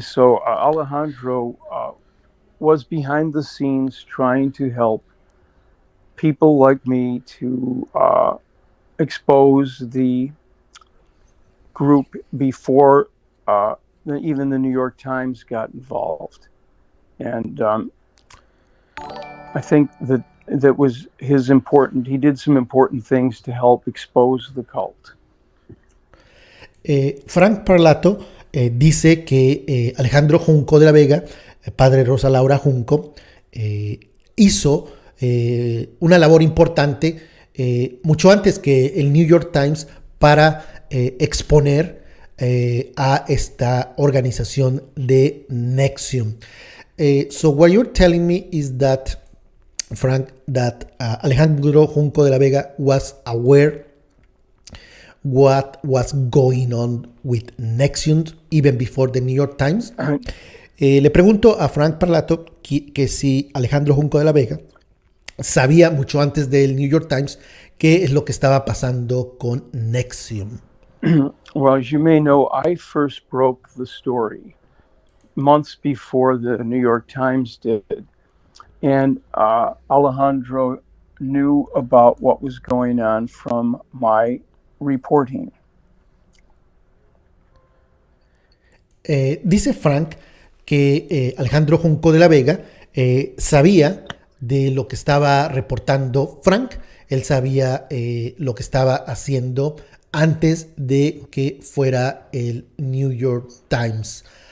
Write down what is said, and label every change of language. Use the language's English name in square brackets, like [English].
[English] So Alejandro was behind the scenes trying to help people like me to expose the group before even the New York Times got involved. And I think that was his important, he did some important things to help expose the cult. [Spanish] Frank Parlato dice que Alejandro Junco de la Vega, padre Rosa Laura Junco, hizo una labor importante mucho antes que el New York Times para exponer a esta organización de Nexium. [English] So what you're telling me is that, Frank, that Alejandro Junco de la Vega was aware what was going on with Nexium even before the New York Times. [Spanish] Le pregunto a Frank Parlato que si Alejandro Junco de la Vega sabía mucho antes del New York Times qué es lo que estaba pasando con Nexium. [English] Well, as you may know, I first broke the story months before the New York Times did. And Alejandro knew about what was going on from my reporting. [Spanish] Dice Frank que Alejandro Junco de la Vega sabía de lo que estaba reportando Frank. Él sabía lo que estaba haciendo antes de que fuera el New York Times.